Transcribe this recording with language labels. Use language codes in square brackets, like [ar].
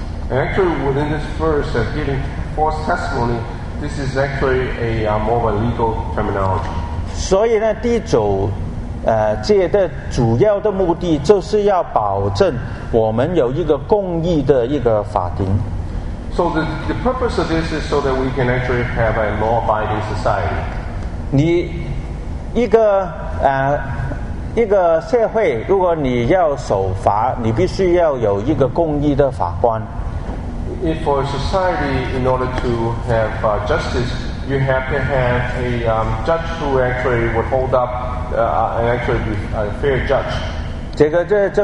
[en] Actually, within this verse of giving false testimony, this is actually a more of a legal terminology. [zh] 所以呢，第九节的主要的目的就是要保证我们有一个公义的一个法庭。 [en] So the purpose of this is so that we can actually have a law-abiding society. [zh] 你一个社会，如果你要守法，你必须要有一个公义的法官。 [en] For a society, in order to have justice, you have to have a judge who actually would hold up and actually be a fair judge.